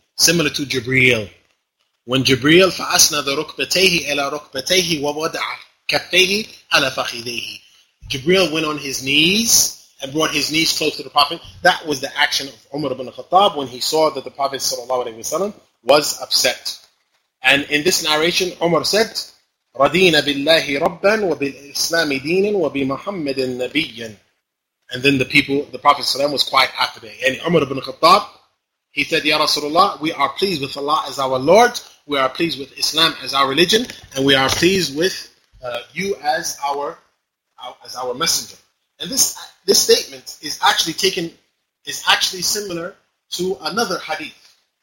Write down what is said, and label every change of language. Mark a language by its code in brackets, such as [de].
[en] Similar to Jibreel. When Jibreel [ar] فَأَسْنَدَ رُكْبَتَيْهِ إِلَى رُكْبَتَيْهِ وَوَدَعَ كَفَّيْهِ عَلَى فَخِذَيْهِ, [en] Jibreel went on his knees and brought his knees close to the Prophet. That was the action of Umar ibn al-Khattab when he saw that the Prophet sallallahu alaihi wasallam was upset. And in this narration, Umar said, [ar] رَدِينَ بِاللَّهِ رَبًّا وَبِالْإِسْلَامِ دِينًا وَبِمُحَمَّدٍ نَبِيًّا. [en] And then the Prophet ﷺ was quiet after that. And Umar ibn Khattab, he said, Ya Rasulullah, we are pleased with Allah as our Lord, we are pleased with Islam as our religion, and we are pleased with you as our messenger. And this statement is actually similar to another hadith.